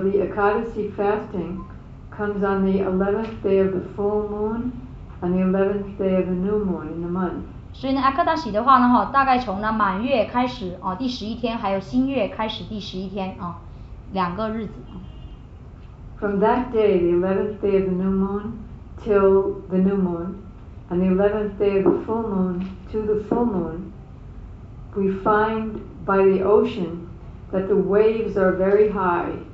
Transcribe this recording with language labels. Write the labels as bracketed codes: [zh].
[en] the Ekadasi fasting comes on the 11th day of the full moon and the 11th day of the new moon in the month. [zh] 所以呢 Ekadasi 的话呢，大概从满月开始，第十一天，还有新月开始第十一天，两个日子。 [en] From that day, the 11th day of the new moon till the new moon and the 11th day of the full moon to the full moon, we find by the ocean that the waves are very high.